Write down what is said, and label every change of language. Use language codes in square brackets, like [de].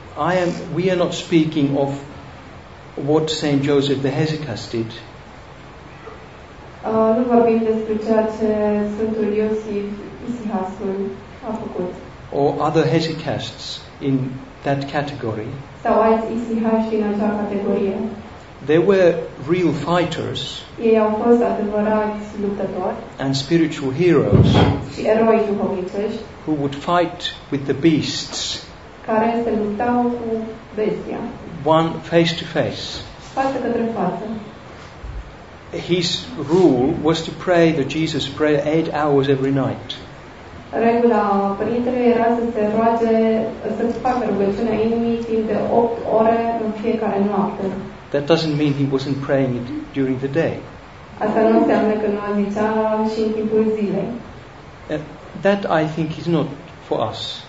[en] I am, we are not speaking of what Saint Joseph the Hesychast did. [ro] Nu vorbim despre ceea ce Sfântul Iosif Isihastul a făcut. [en] Or other hesychasts in that category. [ro] Sau alți isihași în acea categorie. [en] They were real fighters. [ro] Ei au fost adevărați luptători. [en] And spiritual heroes. [ro] Și eroi duhovnicești. [en] Who would fight with the beasts. [ro] Care se luptau cu bestia. [en] One face to face. [ro] Față către față. [en] His rule was to pray the Jesus prayer 8 hours every night. [ro] Regula părintele era să se roage, să facă rugăciunea inimii timp de 8 ore în fiecare noapte. [en] That doesn't mean he wasn't praying it during the day. [ro] Asta nu înseamnă că nu zicea și în timpul zilei. [en] That I think is not for us.